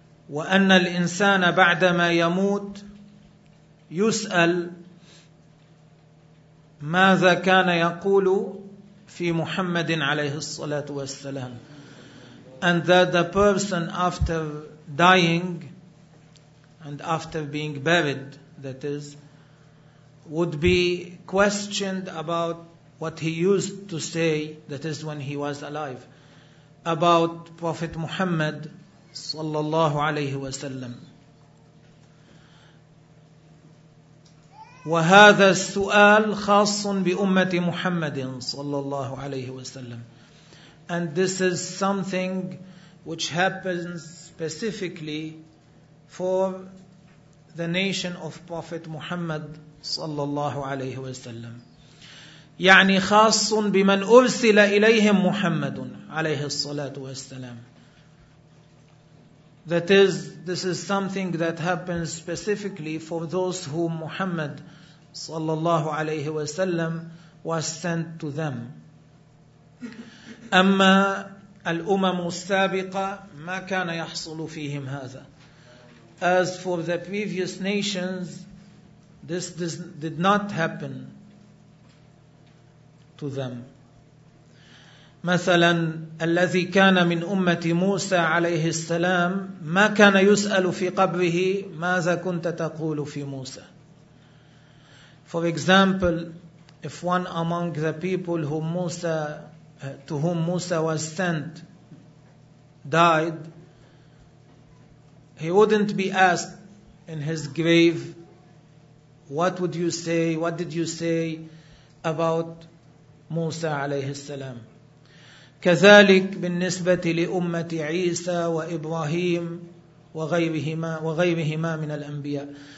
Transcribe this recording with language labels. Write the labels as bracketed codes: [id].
[ar] وأن الإنسان بعدما يموت يسأل ماذا كان يقول في محمد عليه الصلاة والسلام. [en] And that the person after dying and after being buried, that is, would be questioned about what he used to say, that is when he was alive, about Prophet Muhammad [ar] sallallahu alayhi wa sallam. وهذا السؤال خاص بأمة محمد صلى الله عليه وسلم. [en] And this is something which happens specifically for the nation of Prophet Muhammad [ar] صلى الله عليه وسلم. يعني خاص بمن أرسل إليهم محمد عليه الصلاة والسلام. [en] That is, this is something that happens specifically for those whom Muhammad [ar] sallallahu alayhi wa sallam [en] was sent to them. [ar] أما الأمم السابقة ما كان يحصل فيهم هذا. [en] As for the previous nations, this did not happen to them. [ar] مثلا الذي كان من أمة موسى عليه السلام ما كان يسأل في قبره ماذا كنت تقول في موسى. [en] For example, if one among the people whom Musa, to whom Musa was sent died, he wouldn't be asked in his grave, what would you say, what did you say about Musa [ar] عليه السلام. كذلك بالنسبة لأمة عيسى وإبراهيم وغيرهما من الأنبياء.